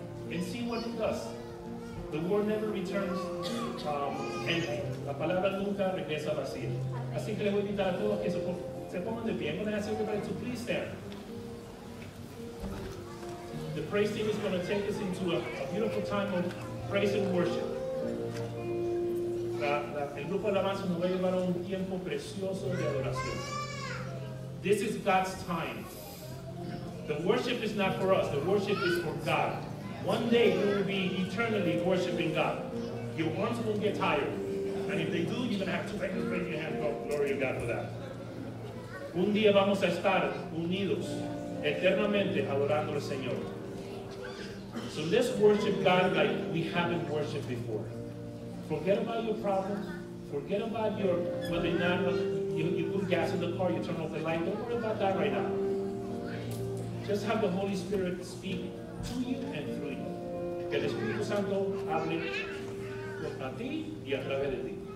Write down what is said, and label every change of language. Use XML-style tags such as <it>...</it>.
<en>And see what it does. The word never returns empty.</en> <es>La palabra nunca regresa vacía. Así que les voy a invitar a todos que se pongan de pie.</es> <en>I'm going to ask everybody to please stand. The praise team is going to take us into a beautiful time of praise and worship.</en> <es>El grupo de alabanza nos va a llevar a un tiempo precioso de adoración.</es> <en>This is God's time. The worship is not for us. The worship is for God. One day we will be eternally worshiping God. Your arms will get tired. And if they do, you're going to have to raise your hand. Oh, glory to God for that.</en> <es>Un día vamos a estar unidos eternamente adorando al Señor.</es> <en>So let's worship God like we haven't worshiped before. Forget about your problems. Forget about your, whether or not you put gas in the car, you turn off the light. Don't worry about that right now. Just have the Holy Spirit speak to you and through you.</en> <es>Que el Espíritu Santo hable a ti y a través de ti.</es>